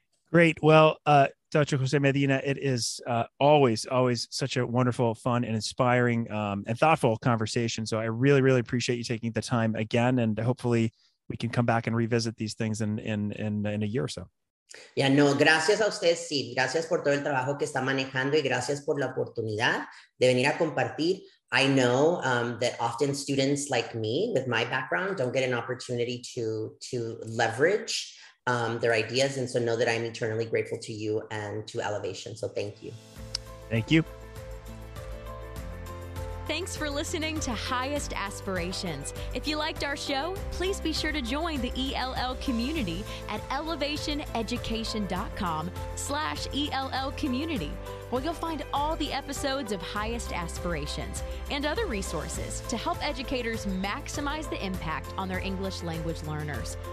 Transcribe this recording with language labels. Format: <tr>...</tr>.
<en>Great. Well, Dr. Jose Medina, it is always such a wonderful, fun, and inspiring and thoughtful conversation. So I really, really appreciate you taking the time again. And hopefully we can come back and revisit these things in a year or so. Yeah, no,</en> <es>gracias a usted, Steve. Gracias por todo el trabajo que está manejando y gracias por la oportunidad de venir a compartir.</es> <en>I know that often students like me with my background don't get an opportunity to leverage their ideas. And so know that I'm eternally grateful to you and to Elevation. So thank you. Thank you. Thanks for listening to Highest Aspirations. If you liked our show, please be sure to join the ELL community at elevationeducation.com/ELL community, where you'll find all the episodes of Highest Aspirations and other resources to help educators maximize the impact on their English language learners.</en>